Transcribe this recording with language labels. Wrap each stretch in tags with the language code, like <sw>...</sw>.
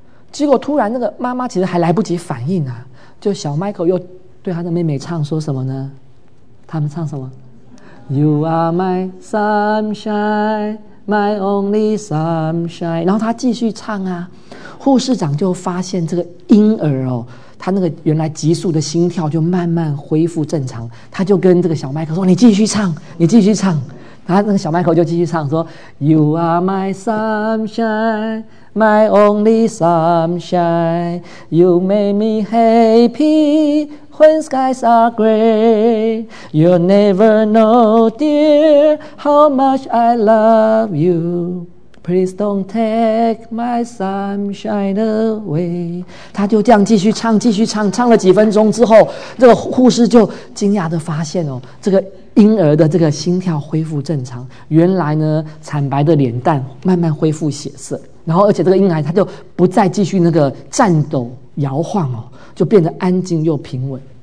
<zh>结果突然那个妈妈其实还来不及反应啊，就小 Michael 又对他的妹妹唱说什么呢，他们唱什么</zh> <en>You are my sunshine, my only sunshine。</en> <zh>然后他继续唱啊，护士长就发现这个婴儿哦，他那个原来急速的心跳就慢慢恢复正常，他就跟这个小麦克说，你继续唱，你继续唱。然后那个小麦克就继续唱说</zh> <en>You are my sunshine, my only sunshine, You make me happy when skies are gray, You'll never know dear how much I love you,Please don't take my sunshine away。</en> <zh>他就这样继续唱继续唱，唱了几分钟之后，这个护士就惊讶地发现哦，这个婴儿的这个心跳恢复正常，原来呢惨白的脸蛋慢慢恢复血色，然后而且这个婴儿他就不再继续那个颤抖摇晃哦，就变得安静又平稳。</zh>